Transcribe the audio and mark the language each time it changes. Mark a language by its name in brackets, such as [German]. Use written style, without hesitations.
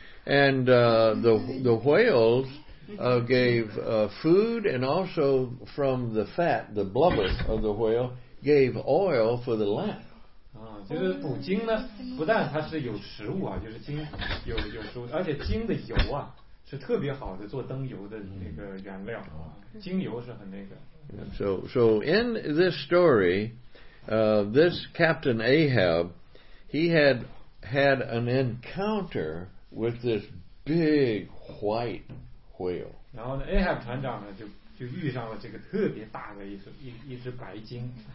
[English] And the whales gave food and also from the fat, the blubber of the whale, gave oil for the lamp. [Chinese] 就是捕鲸呢，不但它是有食物啊，就是鲸有食物，而且鲸的油啊是特别好的做灯油的那个原料，鲸油是很那个。 [English] So in this story, this Captain Ahab, he had an encounter with this big white whale. [Chinese] 然后呢 ，Ahab 船长呢就遇上了这个特别大的一只白鲸。